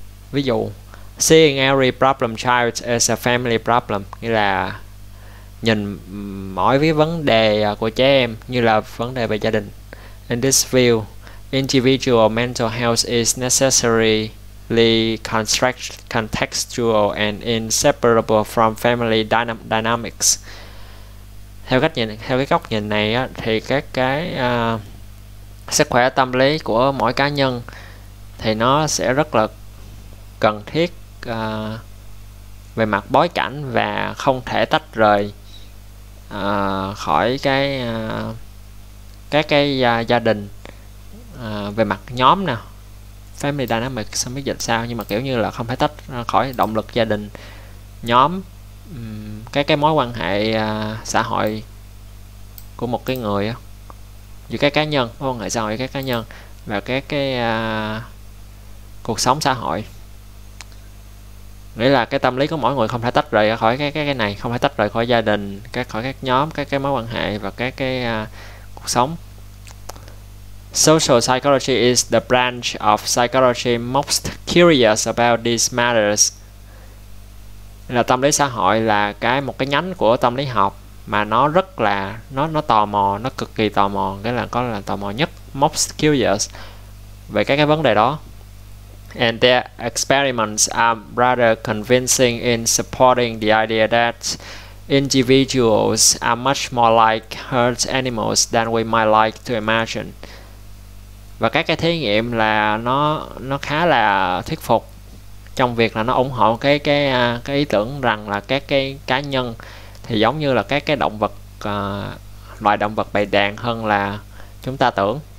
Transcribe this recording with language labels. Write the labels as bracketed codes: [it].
[vi] Ví dụ, [en] seeing every problem child as a family problem, [vi] nghĩa là nhìn mỗi cái vấn đề của trẻ em như là vấn đề về gia đình. [en] In this view, individual mental health is necessarily contextual and inseparable from family dynamics. [vi] Theo cách nhìn, theo cái góc nhìn này á, thì các cái sức khỏe tâm lý của mỗi cá nhân thì nó sẽ rất là cần thiết về mặt bối cảnh và không thể tách rời khỏi cái các cái gia đình. Về mặt nhóm nè, family dynamic không biết dịch sao, nhưng mà kiểu như là không thể tách khỏi động lực gia đình, nhóm, cái mối quan hệ xã hội của một cái người á, giữa các cá nhân, mối quan hệ xã hội các cá nhân và các cái cuộc sống xã hội. Nghĩa là cái tâm lý của mỗi người không thể tách rời khỏi cái này, không thể tách rời khỏi gia đình, khỏi các nhóm, các mối quan hệ và các cái cuộc sống. [en] Social psychology is the branch of psychology most curious about these matters. [vi] Là tâm lý xã hội là một cái nhánh của tâm lý học mà nó rất là nó tò mò, nó cực kỳ tò mò, cái là có là tò mò nhất, most curious về các cái vấn đề đó. [en] And their experiments are rather convincing in supporting the idea that individuals are much more like herd animals than we might like to imagine. [vi] Và các cái thí nghiệm là nó khá là thuyết phục trong việc là nó ủng hộ cái ý tưởng rằng là các cái cá nhân thì giống như là các cái động vật, loài động vật bầy đàn hơn là chúng ta tưởng.